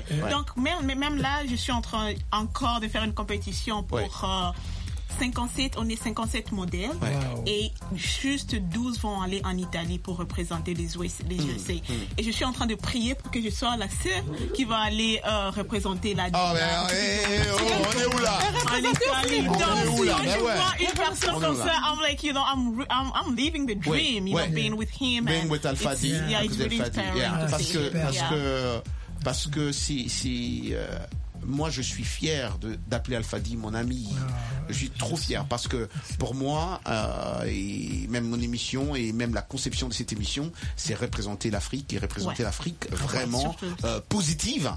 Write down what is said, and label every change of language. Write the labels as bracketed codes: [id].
[fr] Donc même là, je suis en train encore de faire une compétition pour 57, on est 57 modèles et juste 12 vont aller en Italie pour représenter les USA. Et je suis en train de prier pour que je sois la seule qui va aller représenter la Dina. On est où là? En Italie. Donc, une personne comme ça, [en] I'm like, you know, I'm living the dream, being with him. Being with Alpha D. Yeah, it's really inspiring. [fr] Parce que si moi, je suis fier d'appeler Alpha D mon ami. Je suis trop fier parce que pour moi, et même mon émission et même la conception de cette émission, c'est représenter l'Afrique et représenter l'Afrique vraiment positive.